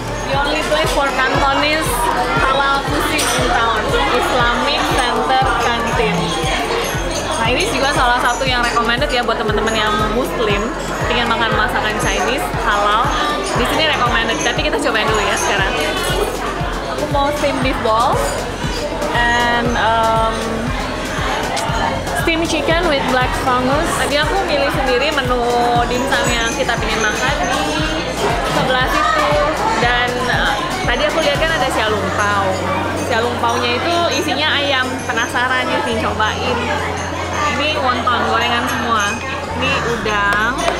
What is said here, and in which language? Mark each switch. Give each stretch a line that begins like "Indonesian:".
English: The only place for Cantonese halal cuisine in town. Islamic Center Kantin. Nah,
Indonesian: ini juga salah satu yang recommended ya buat teman-teman yang muslim ingin makan masakan Chinese halal. Di sini recommended, tapi kita cobain dulu ya sekarang. Aku mau
English: steamed meatballs and steamed chicken with black fungus.
Indonesian: Tadi aku milih sendiri menu dimsum yang kita pengen makan di sebelah situ. Dan tadi aku lihat kan ada xiaolongbao. Xiaolongbao-nya itu isinya ayam. Penasaran nih, pengen cobain. Ini wonton, gorengan semua. Ini udang.